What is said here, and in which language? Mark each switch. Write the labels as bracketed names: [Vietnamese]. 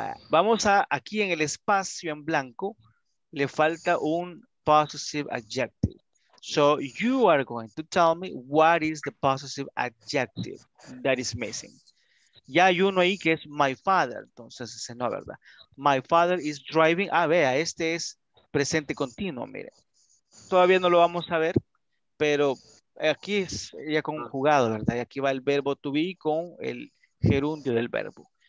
[Spanish] Vamos a, aquí en el espacio en blanco, le falta un possessive adjective. [English] So you are going to tell me what is the possessive adjective that is missing. [Spanish] Ya hay uno ahí que es my father, entonces ese no, ¿verdad? [English] My father is driving. [Spanish] Ah, vea, este es presente continuo, mire. Todavía no lo vamos a ver, pero aquí es ya conjugado, ¿verdad? Y aquí va el verbo to be con el gerundio del verbo.